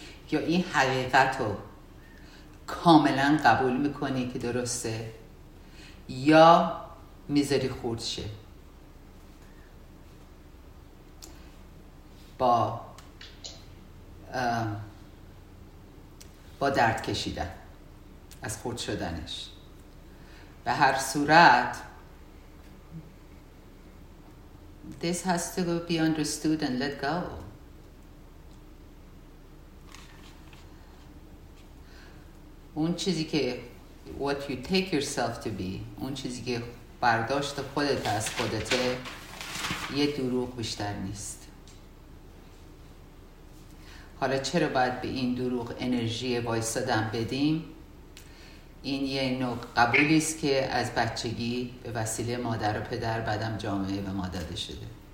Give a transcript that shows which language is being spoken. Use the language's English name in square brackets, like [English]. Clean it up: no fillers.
[Persian] یا این حقیقتو کاملا قبول میکنی که درسته، یا میذاری خورد شه با درد کشیدن از خورد شدنش. به هر صورت [English] This has to go be understood and let go. [Persian] اون چیزی که [English] what you take yourself to be، [Persian] اون چیزی که برداشت خودت از خودت، یه دروغ بیشتر نیست. حالا چرا باید به این دروغ انرژی وایسادن بدیم؟ این یه نوع قبولی است که از بچگی به وسیله مادر و پدر بعدم جامعه به ما داده شده.